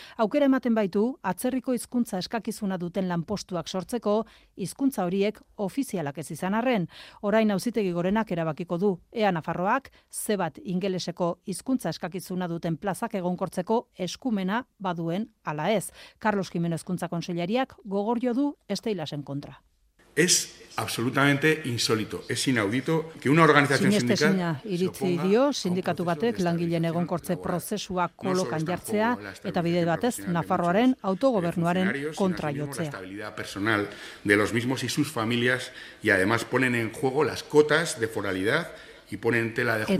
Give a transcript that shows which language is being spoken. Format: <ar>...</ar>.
<eu>Aukera ematen baitu atzerriko hizkuntza eskakizuna duten lanpostuak sortzeko hizkuntza horiek ofizialak ez izan arren. Orain Auzitegi Gorenak erabakiko du ea Nafarroak ze bat ingeleseko hizkuntza eskakizuna duten plazak egonkortzeko eskumena baduen ala ez. Carlos Jimeno Hezkuntza Kontseilariak gogor jo du Esteilasen kontra.</eu> <es>Es absolutamente insólito, es inaudito que una organización sindical</es> <eu>iritzi dio sindikatu batek langileen egonkortze prozesua kolokan jartzea eta bide batez Nafarroaren autogobernuaren kontra jotzea.</eu> <es>Estabilidad personal de los mismos y sus familias y además ponen en juego las cotas de foralidad y ponen tela de juicio.</es>